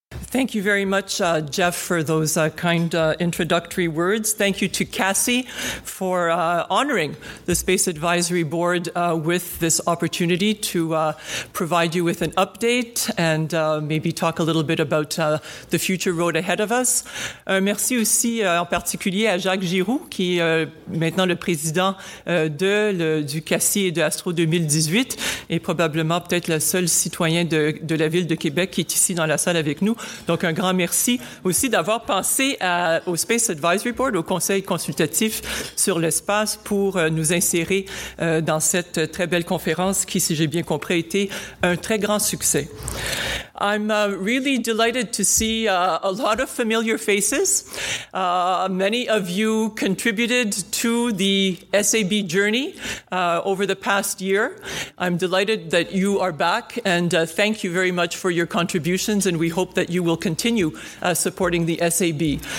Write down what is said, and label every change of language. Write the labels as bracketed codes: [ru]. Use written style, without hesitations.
[en] Thank you very much, Jeff, for those kind introductory words. Thank you to CASI for honoring the Space Advisory Board with this opportunity to provide you with an update and maybe talk a little bit about the future road ahead of us. [fr] Merci aussi en particulier à Jacques Giroux, qui est maintenant le président du CASI et de Astro 2018, et probablement peut-être le seul citoyen de la ville de Québec qui est ici dans la salle avec nous. Donc, un grand merci aussi d'avoir pensé au Space Advisory Board, au Conseil consultatif sur l'espace, pour nous insérer dans cette très belle conférence qui, si j'ai bien compris, a été un très grand succès. [en] I'm really delighted to see a lot of familiar faces. Many of you contributed to the SAB journey over the past year. I'm delighted that you are back, and thank you very much for your contributions, and we hope that you will continue supporting the SAB.